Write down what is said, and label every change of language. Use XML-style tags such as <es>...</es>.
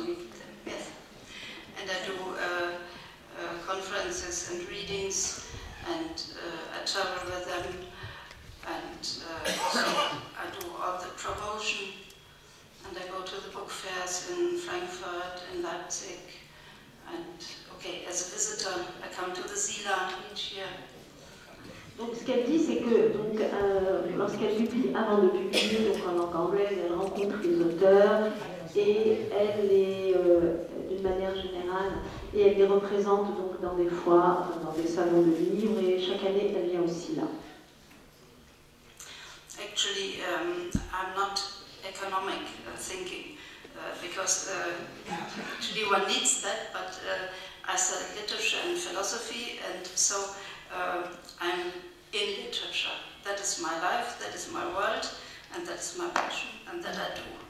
<en>And I do conferences and readings, and I travel with them, and so I do all the promotion, and I go to the book fairs in Frankfurt, in Leipzig, and okay, as a visitor, I come to the Sila each year.</en> <fr>Donc ce qu'elle dit, c'est que donc lorsqu'elle publie, avant de publier, donc en langue anglaise, elle rencontre les auteurs et elle les d'une manière générale, et elle les représente donc dans des foires, dans des salons de livres, et chaque année elle vient aussi là.</fr> <en>Actually, I'm not economic thinking, because actually one needs that, but I study literature and philosophy, and so I'm in literature. That is my life, that is my world, and that is my passion, and that I do.</en>